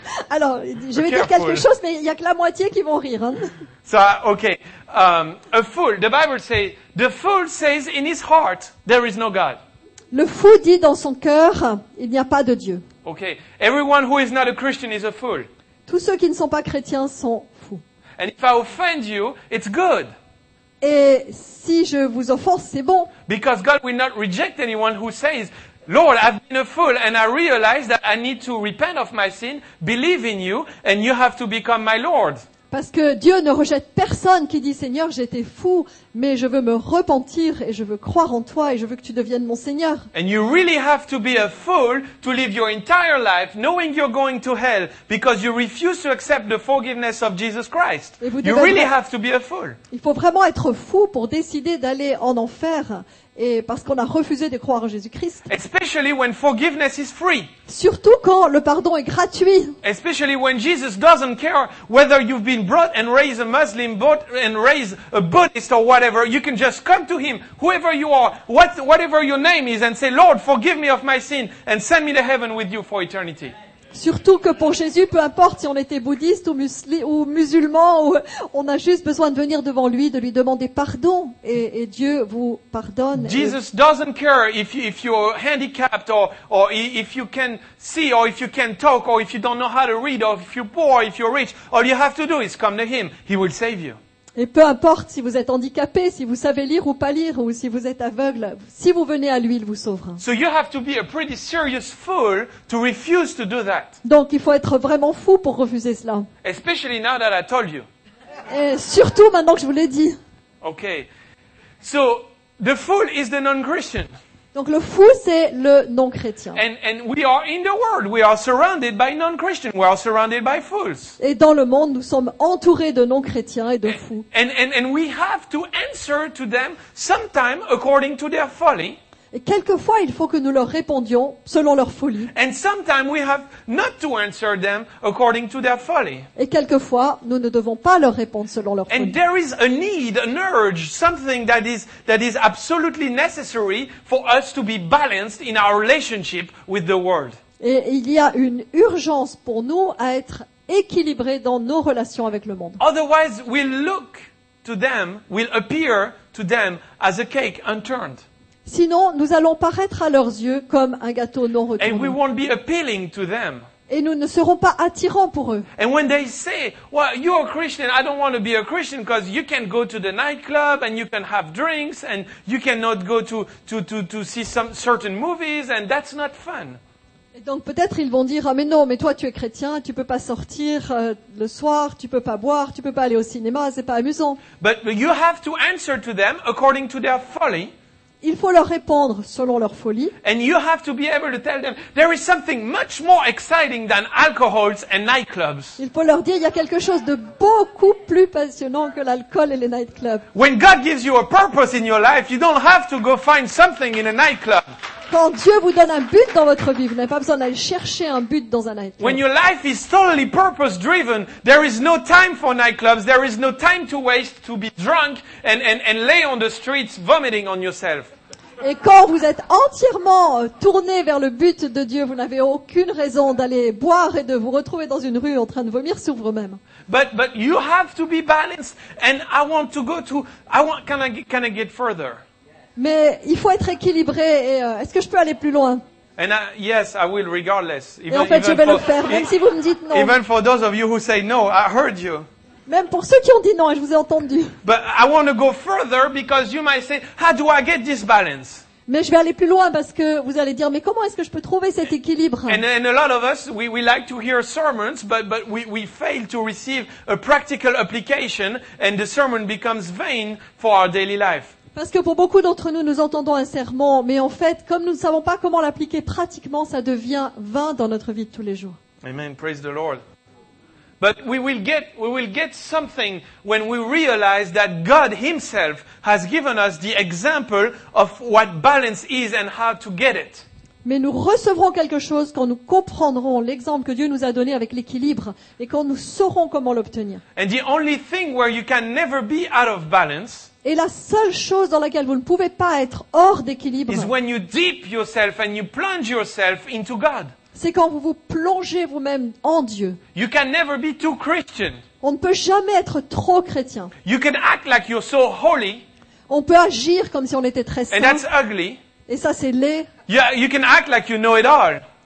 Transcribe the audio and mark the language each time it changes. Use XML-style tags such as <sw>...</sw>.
<fr>Alors, je vais dire quelque chose, mais il y a que la moitié qui vont rire. Hein.</fr> <en>So okay, a fool. The Bible says the fool says in his heart there is no God.</en> <fr>Le fou dit dans son cœur il n'y a pas de Dieu.</fr> <en>Okay. Everyone who is not a Christian is a fool.</en> <fr>Tous ceux qui ne sont pas chrétiens sont fous.</fr> <en>And if I offend you, it's good.</en> <fr>Et si je vous offense, c'est bon.</fr> <en>Because God will not reject anyone who says, Lord, I've been a fool and I realize that I need to repent of my sin, believe in you, and you have to become my Lord.</en> <fr>Parce que Dieu ne rejette personne qui dit, Seigneur, j'étais fou, mais je veux me repentir et je veux croire en toi et je veux que tu deviennes mon Seigneur.</fr> <en>And you really have to be a fool to live your entire life knowing you're going to hell because you refuse to accept the forgiveness of Jesus Christ. You really have to be a fool.</en> <fr>Il faut vraiment être fou pour décider d'aller en enfer et parce qu'on a refusé de croire en Jésus-Christ.</fr> <en>Especially when forgiveness is free.</en> <fr>Surtout quand le pardon est gratuit.</fr> <en>Especially when Jesus doesn't care whether you've been brought and raised a Muslim and raised a Buddhist or whatever, you can just come to him, whoever you are, whatever your name is, and say, Lord, forgive me of my sin and send me to heaven with you for eternity.</en> <fr>Surtout que pour Jésus, peu importe si on était bouddhiste ou musulman, on a juste besoin de venir devant lui, de lui demander pardon, et Dieu vous pardonne.</fr> <en>Jesus doesn't care if you're handicapped or if you can see or if you can talk or if you don't know how to read or if you're poor, if you're rich. All you have to do is come to him. He will save you.</en> <fr>Et peu importe si vous êtes handicapé, si vous savez lire ou pas lire, ou si vous êtes aveugle, si vous venez à lui, il vous sauvera.</fr> <en>So you have to be a pretty serious fool to refuse to do that.</en> <fr>Donc il faut être vraiment fou pour refuser cela.</fr> <en>Especially now that I told you.</en> <fr>Et surtout maintenant que je vous l'ai dit.</fr> <en>Okay. So the fool is the non-Christian.</en> <fr>Donc le fou c'est le non-chrétien.</fr> <en>And we are in the world, we are surrounded by non-Christians, we are surrounded by fools.</en> <fr>Et dans le monde, nous sommes entourés de non-chrétiens et de fous.</fr> <en>And we have to answer to them sometime according to their folly.</en> <fr>Et quelquefois, il faut que nous leur répondions selon leur folie.</fr> <en>And sometimes we have not to answer them according to their folly.</en> <fr>Et quelquefois, nous ne devons pas leur répondre selon leur folie.</fr> <en>And there is a need, an urge, something that is absolutely necessary for us to be balanced in our relationship with the world.</en> <fr>Et il y a une urgence pour nous à être équilibrés dans nos relations avec le monde.</fr> <en>Otherwise, we'll look to them, we'll appear to them as a cake unturned.</en> <fr>Sinon, nous allons paraître à leurs yeux comme un gâteau non retourné.</fr> <en>And we won't be appealing to them.</en> <fr>Et nous ne serons pas attirants pour eux.</fr> <en>And when they say, well, you're a Christian, I don't want to be a Christian because you can go to the nightclub and you can have drinks and you cannot go to see some certain movies and that's not fun.</en> <fr>Et donc peut-être ils vont dire, ah mais non, mais toi tu es chrétien, tu peux pas sortir le soir, tu peux pas boire, tu peux pas aller au cinéma, c'est pas amusant.</fr> <en>But you have to answer to them according to their folly.</en> <fr>Il faut leur répondre selon leur folie.</fr> <en>And you have to be able to tell them there is something much more exciting than alcohols and nightclubs.</en> <fr>Il faut leur dire il y a quelque chose de beaucoup plus passionnant que l'alcool et les nightclubs.</fr> <en>When God gives you a purpose in your life, you don't have to go find something in a nightclub.</en> <fr>Quand Dieu vous donne un but dans votre vie, vous n'avez pas besoin d'aller chercher un but dans un nightclub.</fr> <en>When your life is totally purpose driven, there is no time for nightclubs, there is no time to waste to be drunk and lay on the streets vomiting on yourself.</en> <fr>Et quand vous êtes entièrement tourné vers le but de Dieu, vous n'avez aucune raison d'aller boire et de vous retrouver dans une rue en train de vomir sur vous-même.</fr> <en>But you have to be balanced and I want to go to I want can I get further?</en> <fr>Mais il faut être équilibré et est-ce que je peux aller plus loin?</fr> <en>And yes, I will regardless.</en> <fr>Even, et en fait, even je vais for, le faire, même si vous me dites non.</fr> <en>Even for those of you who say no, I heard you.</en> <fr>Même pour ceux qui ont dit non, je vous ai entendu.</fr> <en>But I want to go further because you might say, how do I get this balance?</en> <fr>Mais je vais aller plus loin parce que vous allez dire, mais comment est-ce que je peux trouver cet équilibre?</fr> <en>And a lot of us, we like to hear sermons, but we fail to receive a practical application and the sermon becomes vain for our daily life.</en> <fr>Parce que pour beaucoup d'entre nous, nous entendons un serment, mais en fait, comme nous ne savons pas comment l'appliquer pratiquement, ça devient vain dans notre vie de tous les jours.</fr> <en>Amen, praise the Lord. But we will get something when we realize that God Himself has given us the example of what balance is and how to get it.</en> <fr>Mais nous recevrons quelque chose quand nous comprendrons l'exemple que Dieu nous a donné avec l'équilibre et quand nous saurons comment l'obtenir.</fr> <en>And the only thing where you can never be out of balance.</en> <fr>Et la seule chose dans laquelle vous ne pouvez pas être hors d'équilibre,</fr> <en>is when you dip yourself and you plunge yourself into God.</en> <fr>C'est quand vous vous plongez vous-même en Dieu.</fr> <en>You can never be too Christian.</en> <fr>On ne peut jamais être trop chrétien.</fr> <en>You can act like you're so holy.</en> <fr>On peut agir comme si on était très saint.</fr> <en>And that's ugly.</en> <fr>Et ça, c'est laid.</fr> <en>Yeah, you can act like you know it all.</en>